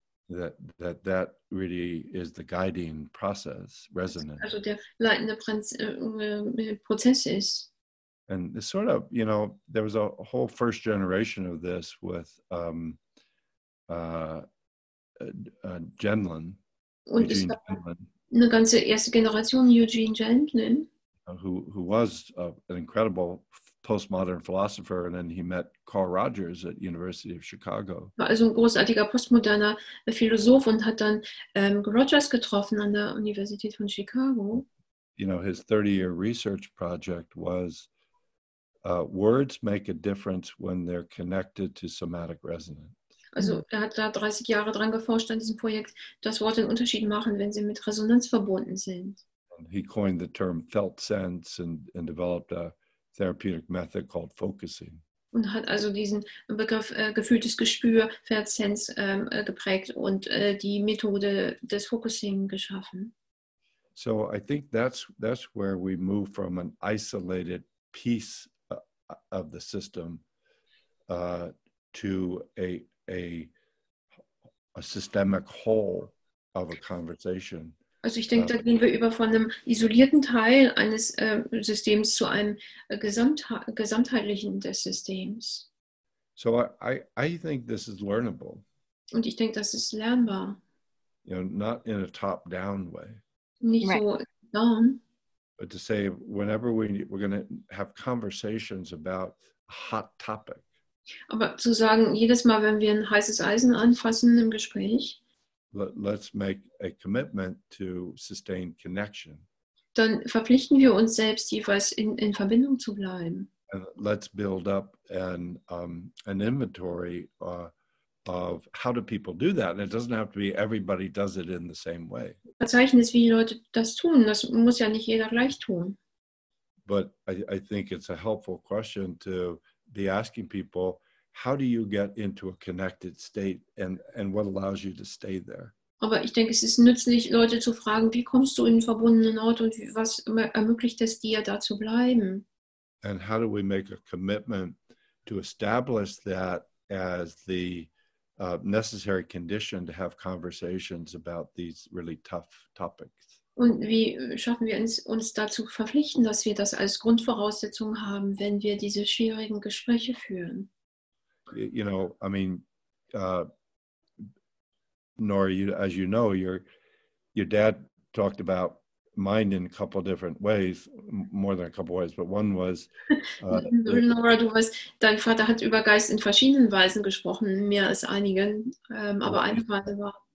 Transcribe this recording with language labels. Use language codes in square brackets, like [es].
[en] That really is the guiding process, resonance. [de] Also der leitende Prozess ist. [en] And it's sort of, you know, there was a whole first generation of this with Gendlin. [de] Und es gab Gendlin, eine ganze erste Generation Eugene Gendlin, [en] who was an incredible postmodern philosopher, and then he met Carl Rogers at University of Chicago. [de] War also ein großartiger postmoderner Philosoph und hat dann Rogers getroffen an der Universität von Chicago. [en] You know, his 30-year research project was words make a difference when they're connected to somatic resonance. [de] Also er hat da 30 Jahre dran geforscht an diesem Projekt, dass Worte einen Unterschied machen, wenn sie mit Resonanz verbunden sind. [en] He coined the term felt sense and developed a therapeutic method called focusing. [de] Und hat also diesen Begriff gefühltes Gespür, felt sense, geprägt und die Methode des Focusing geschaffen. [en] So I think that's where we move from an isolated piece of the system to a systemic whole of a conversation. [de] Also ich denke, da gehen wir über von einem isolierten Teil eines Systems zu einem gesamtheitlichen des Systems. [en] So I think this is learnable. [de] Und ich denke, das ist lernbar. [en] You know, not in a top-down way. Nicht right. So down. But to say, whenever we're going to have conversations about a hot topic. [de] Aber zu sagen, jedes Mal, wenn wir ein heißes Eisen anfassen im Gespräch, [en] let's make a commitment to sustain connection. [de] Dann verpflichten wir uns selbst, jeweils in Verbindung zu bleiben. [en] And let's build up an inventory of how do people do that. And it doesn't have to be everybody does it in the same way. [de] Verzeichnis, wie die Leute das tun. Das muss ja nicht jeder gleich tun. [en] But I think it's a helpful question to be asking people, how do you get into a connected state and what allows you to stay there? [de] Aber ich denke, es ist nützlich, Leute zu fragen, wie kommst du in einen verbundenen Ort und was ermöglicht es dir, da zu bleiben? [en] And how do we make a commitment to establish that as the necessary condition to have conversations about these really tough topics? [de] Und wie schaffen wir uns dazu verpflichten, dass wir das als Grundvoraussetzung haben, wenn wir diese schwierigen Gespräche führen? [en] You know, I mean, Nora, you, as you know, your dad talked about mind in a couple of different ways, more than a couple of ways, but one was... [de] Nora, du weißt, dein Vater hat über Geist in verschiedenen Weisen gesprochen, mehr als einigen, aber eine Weise war...